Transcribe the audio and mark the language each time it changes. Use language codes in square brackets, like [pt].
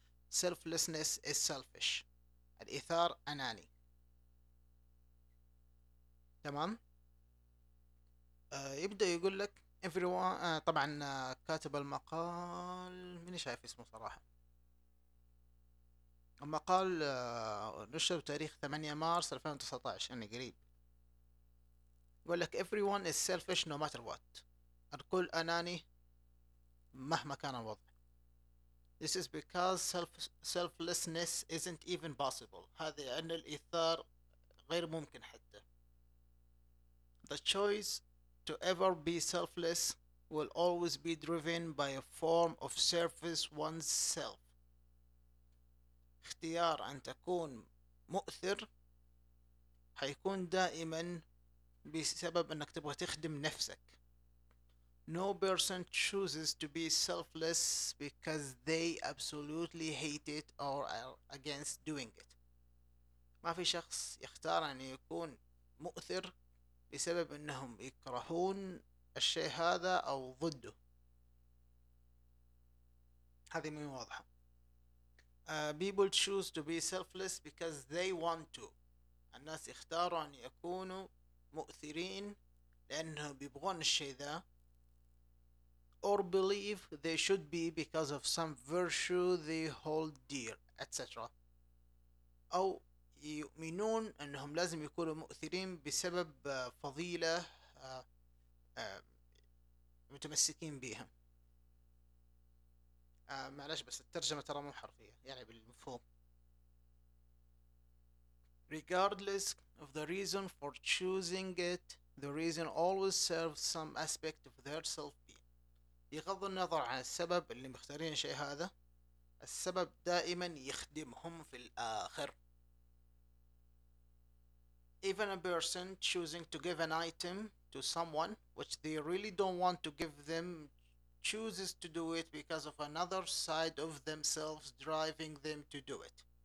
[en] selflessness is selfish، [ar] الإيثار أناني. تمام. يبدأ يقول لك everyone، طبعا كاتب المقال من شايف اسمه صراحة. المقال نشر بتاريخ 8 مارس 2019، يعني قريب. يقول لك [en] everyone is selfish no matter what، [ar] الكل أناني مهما كان الوضع. [en] This is because selflessness isn't even possible. [ar] هذا أن الإيثار غير ممكن حتى. [en] The choice to ever be selfless will always be driven by a form of service oneself. [ar] اختيار أن تكون مؤثر حيكون دائما بسبب أنك تبغى تخدم نفسك. [en] No person chooses to be selfless because they absolutely hate it or are against doing it. [ar] ما في شخص يختار أن يكون مؤثر بسبب أنهم يكرهون الشيء هذا أو ضده. هذه مو واضحة. [en] People choose to be selfless because they want to. [ar] الناس يختاروا أن يكونوا مؤثرين لأنهم يبغون الشيء ذا. [en] Or believe they should be because of some virtue they hold dear, etc. [ar] أو يؤمنون أنهم لازم يكونوا مؤثرين بسبب فضيلة متمسكين بها. معلش بس الترجمة ترى مو حرفية، يعني بالمفهوم. [en] Regardless of the reason for choosing it, the reason always serves some aspect of their self. [ar] بغض النظر عن السبب اللي مختارين شيء هذا، السبب دائما يخدمهم في الآخر. [en] Even a person choosing to give an item to someone which they really don't want to give them chooses to do it because of another side of themselves driving them to do it.